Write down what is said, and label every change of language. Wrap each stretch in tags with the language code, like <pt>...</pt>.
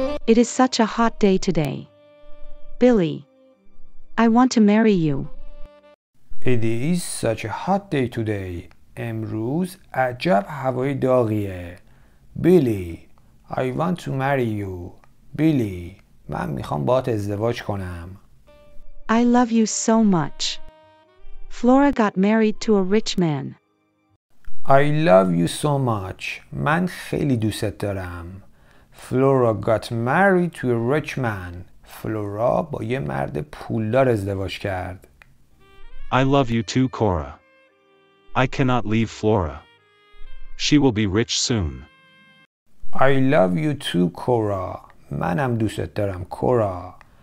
<en>It is such a hot day today. Billy, I want to marry you. It is such a hot day today.</en> <fa>امروز عجب هوای داغیه.</fa> <en>Billy, I want to marry you.</en> <fa>Billy, من میخوام باهات ازدواج کنم.</fa> <en>I love you so much. Flora got married to a rich man. I love you so much.</en> <fa>من خیلی دوستت دارم.</fa> <en>Flora got married to a rich man.</en> <fa>Flora با یه مرد پولدار ازدواج کرد.</fa> <en>I love you too, Cora. I cannot leave Flora. She will be rich soon. I love you too, Cora.</en> <fa>منم دوستت دارم, Cora.</fa>